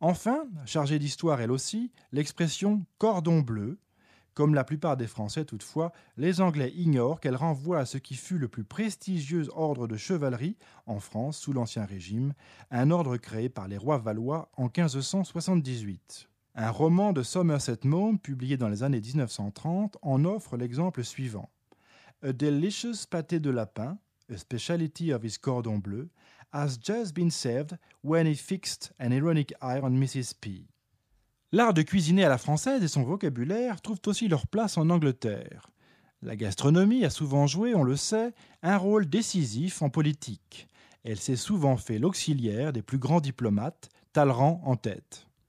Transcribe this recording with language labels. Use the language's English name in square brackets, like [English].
[French] Enfin, chargée d'histoire elle aussi, l'expression « cordon bleu », comme la plupart des Français toutefois, les Anglais ignorent qu'elle renvoie à ce qui fut le plus prestigieux ordre de chevalerie en France sous l'Ancien Régime, un ordre créé par les rois Valois en 1578. Un roman de Somerset Maugham, publié dans les années 1930, en offre l'exemple suivant. [English] « A delicious pâté de lapin, a speciality of his cordon bleu, has just been served when he fixed an ironic eye on Mrs. [French] P. » L'art de cuisiner à la française et son vocabulaire trouvent aussi leur place en Angleterre. La gastronomie a souvent joué, on le sait, un rôle décisif en politique. Elle s'est souvent fait l'auxiliaire des plus grands diplomates, Talleyrand en tête.